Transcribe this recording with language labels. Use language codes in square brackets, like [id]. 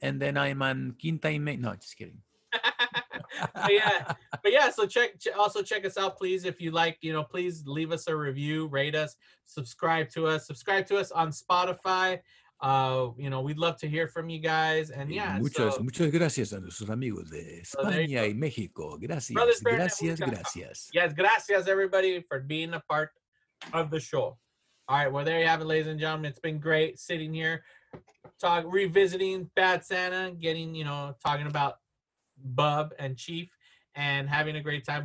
[en] And then I'm on Quinta y Main. No, just kidding. But yeah. So check us out, please. If you like, you know, please leave us a review, rate us, subscribe to us. Subscribe to us on Spotify. You know, we'd love to hear from you guys. And yeah. [es] Muchas gracias a nuestros amigos de España y México. Gracias. Gracias. [en] Yes, gracias, everybody, for being a part of the show. All right. Well, there you have it, ladies and gentlemen. It's been great sitting here, revisiting Bad Santa, getting, you know, talking about Bub and Chief and having a great time.